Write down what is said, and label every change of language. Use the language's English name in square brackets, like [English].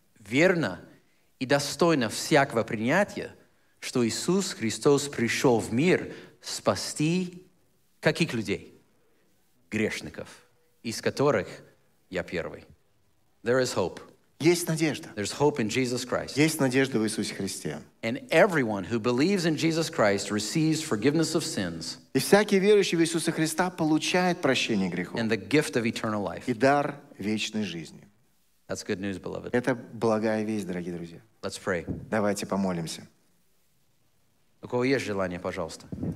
[Russian] Верно и достойно всякого принятия, что Иисус Христос пришел в мир спасти каких людей? Грешников, из которых я первый. [English] There is hope. [Russian] Есть надежда. [English] There's hope in Jesus Christ. [Russian] Есть надежда в Иисусе Христе. [English] And everyone who believes in Jesus Christ receives forgiveness of sins. [Russian] И всякий верующий в Иисуса Христа получает прощение грехов. [English] And the gift of eternal life. [Russian] И дар вечной жизни. [English] That's good news, beloved. [Russian] Это благая весть, дорогие друзья. [English] Let's pray. [Russian] Давайте помолимся. У кого есть желание, пожалуйста.